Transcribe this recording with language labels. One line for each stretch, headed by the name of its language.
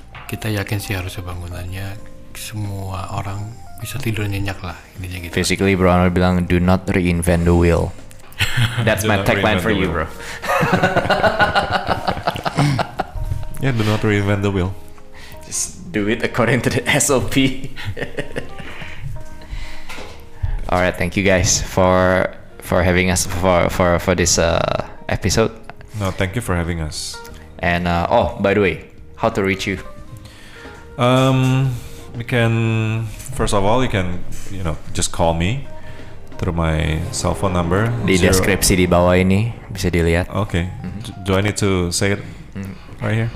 Indonesian: Kita yakin sih harusnya bangunannya semua orang bisa tidur nyenyak lah. Intinya gitu.
English: Basically Bro Anwar
Indonesian: bilang
English: do not reinvent the wheel. That's my tagline for you, bro. Yeah, do not reinvent the wheel. Just do it according to the SOP. All right, thank you guys for having us for this episode. No, thank you for having us. And by the way, how to reach you? You can first of all, you can just call me. Through my cell phone number
Indonesian: di deskripsi di bawah ini bisa dilihat.
English: Okay, do I need to say it right here?